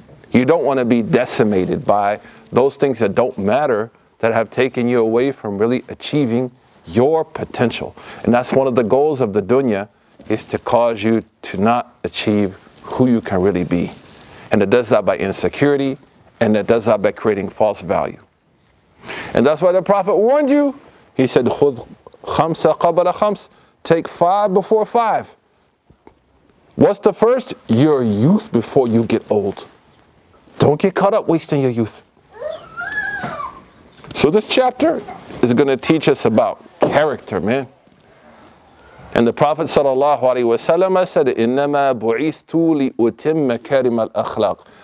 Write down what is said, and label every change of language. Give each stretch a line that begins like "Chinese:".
English: You don't want to be decimated by those things that don't matter that have taken you away from really achieving your potential. And that's one of the goals of the dunya, is to cause you to not achieve who you can really be. And it does that by insecurity, and it does that by creating false value. And that's why the Prophet warned you. He said,
Arabic: خُذْ خَمْسَ قَبْلَ خَمْسَ.
English: Take five before five. What's the first? Your youth before you get old. Don't get caught up wasting your youth. So this chapter is going to teach us about character, man. And the Prophet sallallahu alaihi wasallam said,
Arabic: إِنَّمَا بُعِثْتُ لِأُتِمَّ كَرِمَ الْأَخْلَاقِ.